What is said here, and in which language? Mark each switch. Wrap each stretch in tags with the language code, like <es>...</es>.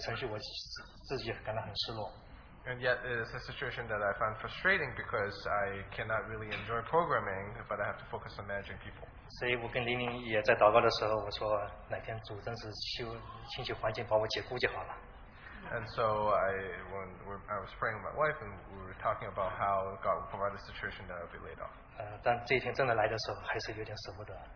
<zh>因为要管理人，所以我没办法写程序，我自己感到很失落。</zh> <en>And yet it is a situation that I find frustrating because I cannot really enjoy programming, but I have to focus on managing people.</en> <zh>所以我跟玲玲也在祷告的时候，我说哪天主真是清洁环境把我解雇就好了。</zh> <en>And so when I was praying with my wife, and we were talking about how God would provide a situation that I would be laid off.</en> <zh>但这一天真的来的时候，还是有点舍不得。</zh>